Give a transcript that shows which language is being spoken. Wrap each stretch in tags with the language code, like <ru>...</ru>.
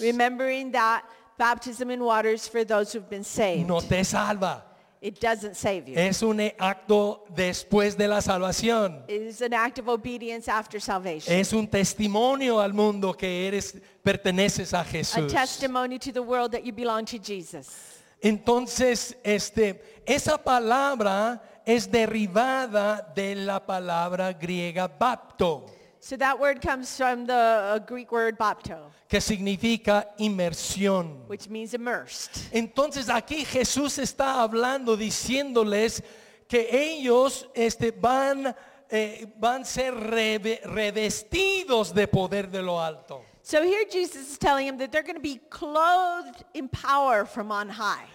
<en>Remembering that baptism in water is for those who've been saved.</en> <es>No te salva.</es> <en>It doesn't save you.</en> <es>Es un acto después de la salvación.</es> <en>It is an act of obedience after salvation.</en> <es>Es un testimonio al mundo que eres perteneces a Jesús.</es> <en>A testimony to the world that you belong to Jesus.</en> <es>Entonces, esa palabra es derivada de la palabra griega bapto.</es> <en>So that word comes from the Greek word bapto.</en> <es>Que significa inmersión.</es> <en>Which means immersed.</en> <es>Entonces, aquí Jesús está hablando, diciéndoles que ellos van a ser revestidos de poder de lo alto.</es> <en>So here Jesus is telling them that they're going to be clothed in power from on high.</en>